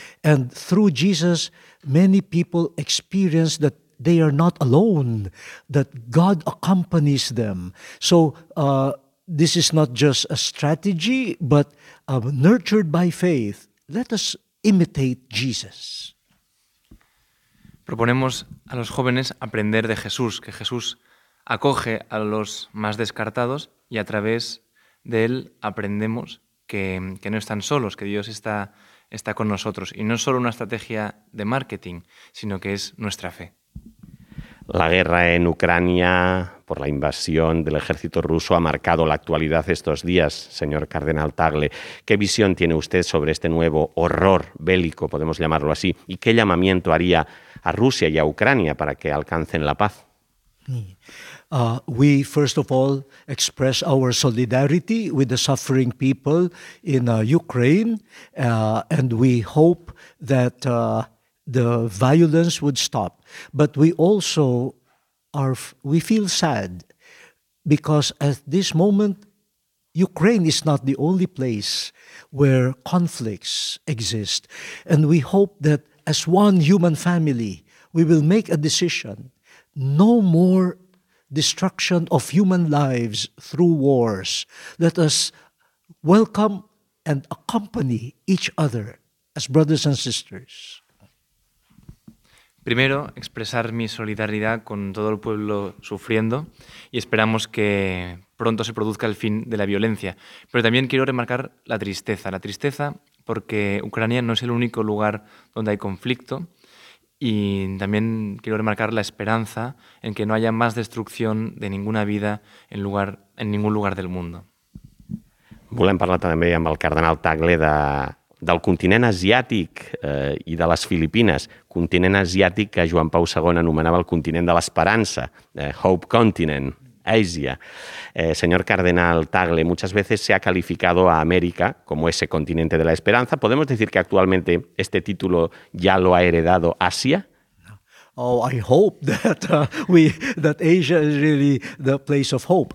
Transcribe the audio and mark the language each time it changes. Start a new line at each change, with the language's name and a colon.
English: And through Jesus, many people experience that they are not alone, that God accompanies them. So this is not just a strategy, but nurtured by faith. Let us imitate Jesus.
Spanish: Proponemos a los jóvenes aprender de Jesús, que Jesús acoge a los más descartados y a través de él aprendemos que no están solos, que Dios está con nosotros. Y no es solo una estrategia de marketing, sino que es nuestra fe. La guerra en Ucrania por la invasión del ejército ruso ha marcado la actualidad estos días, señor cardenal Tagle. ¿Qué visión tiene usted sobre este nuevo horror bélico, podemos llamarlo así? ¿Y qué llamamiento haría a Rusia y a Ucrania para que alcancen la paz?
English: We first of all express our solidarity with the suffering people in Ukraine, and we hope that the violence would stop. But we also we feel sad because at this moment, Ukraine is not the only place where conflicts exist. And we hope that as one human family, we will make a decision: no more destruction of human lives through wars. Let us welcome and accompany each other as brothers and sisters.
Spanish: Primero, expresar mi solidaridad con todo el pueblo sufriendo y esperamos que pronto se produzca el fin de la violencia. Pero también quiero remarcar la tristeza. La tristeza porque Ucrania no es el único lugar donde hay conflicto y también quiero remarcar la esperanza en que no haya más destrucción de ninguna vida en ningún lugar del mundo.
Catalan: Volem parlar també amb el cardenal Tagle del continent asiàtic i de les Filipines, continent asiàtic que Joan Pau II anomenava el continent de l'esperança,
English: Hope Continent, Asia.
Spanish: Señor cardenal Tagle, muchas veces se ha calificado a América como ese continente de la esperanza. ¿Podemos decir que actualmente este título ya lo ha heredado Asia?
English: Oh, I hope that that Asia is really the place of hope.